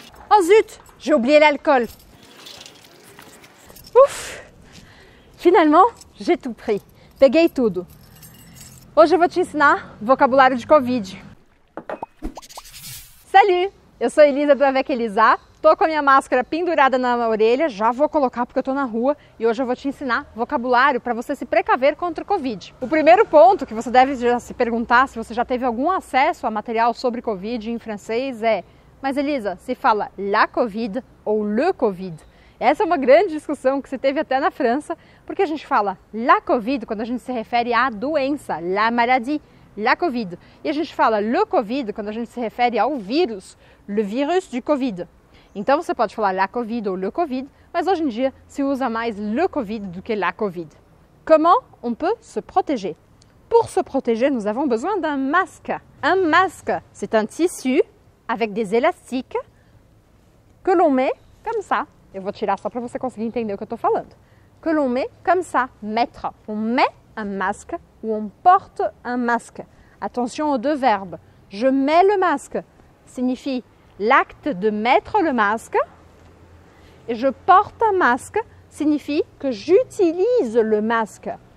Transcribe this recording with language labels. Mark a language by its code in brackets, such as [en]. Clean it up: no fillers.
[fr] Oh zut, j'ai oublié l'alcool. Ouf, finalement, j'ai tout pris. [pt] Peguei tudo. Hoje eu vou te ensinar vocabulário de Covid. Salut, eu sou Elisa Avec Elisa. Tô com a minha máscara pendurada na orelha. Já vou colocar porque eu tô na rua. E hoje eu vou te ensinar vocabulário para você se precaver contra o Covid. O primeiro ponto que você deve já se perguntar se você já teve algum acesso a material sobre Covid em francês é: mas Elisa, se fala la Covid ou le Covid? Essa é uma grande discussão que se teve até na França, porque a gente fala la Covid quando a gente se refere à doença, [fr] la maladie, la Covid. [pt] E a gente fala le Covid quando a gente se refere ao vírus, [fr] le virus du Covid. [pt] Então você pode falar la Covid ou le Covid, mas hoje em dia se usa mais le Covid do que la Covid. [fr] Comment on peut se protéger? Pour se protéger, nous avons besoin d'un masque. Un masque, c'est un tissu avec des élastiques que l'on met comme ça. [pt] Eu vou tirar só para você conseguir entender o que eu estou falando. [fr] Que l'on met comme ça, mettre. On met un masque ou on porte un masque. Attention aux deux verbes. Je mets le masque signifie l'acte de mettre le masque. Et je porte un masque signifie que j'utilise le masque.